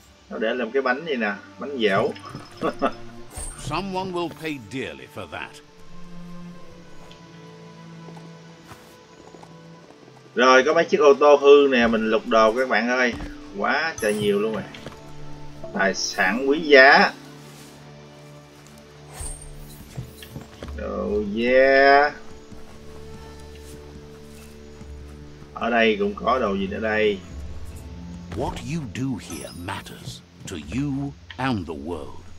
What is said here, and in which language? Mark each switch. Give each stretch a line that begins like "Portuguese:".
Vietnamese: Nó để làm cái bánh gì nè, bánh dẻo.
English: Someone will pay dearly for that.
Vietnamese: Rồi có mấy chiếc ô tô hư nè, mình lục đồ các bạn ơi. Quá trời nhiều luôn rồi. Tài sản quý giá. Oh yeah. Ở đây cũng có đồ gì nữa đây.
English: What you do here matters to you and the world.